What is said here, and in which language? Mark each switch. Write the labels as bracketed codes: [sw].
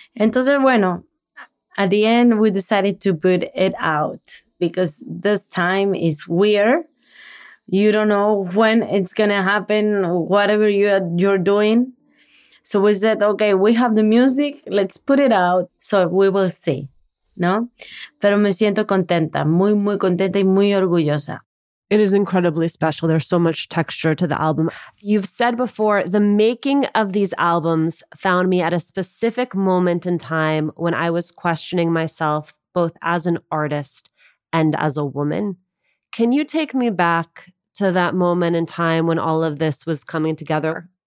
[es] Entonces, bueno, [en] at the end, we decided to put it out because this time is weird. You don't know when it's going to happen, whatever you're doing. So we said, okay, we have the music. Let's put it out. So we will see, no? [es] Pero me siento contenta, muy, muy contenta y muy orgullosa. [en] It is incredibly special. There's so much texture to the album. You've said before, the making of these albums found me at a specific moment in time when I was questioning myself both as an artist and as a woman. Can you take me back to that moment in time when all of this was coming together?